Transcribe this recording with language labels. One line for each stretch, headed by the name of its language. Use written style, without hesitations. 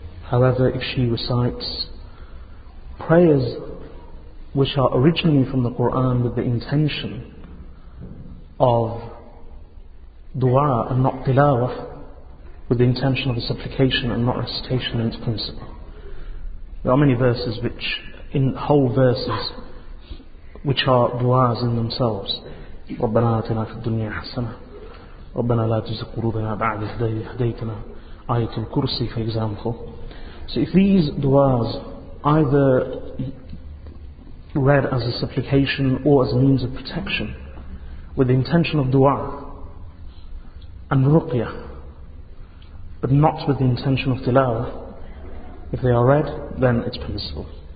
English: However, if she recites prayers which are originally from the Quran with the intention of dua and not tilawah, with the intention of a supplication and not recitation in its principle. There are many verses which, in whole verses, which are duas in themselves.
Arabic: رَبَّنَا آتِنَا فِي الدُّنْيَا حَسَنَةً رَبَّنَا لَا تُزِغْ قُلُوبَنَا بَعْدَ إِذْ هَدَيْتَنَا آيَةُ الْكُرْسِي,
English: for example. So if these duas either read as a supplication or as a means of protection with the intention of dua and ruqya but not with the intention of tilawa, if they are read, then it's permissible.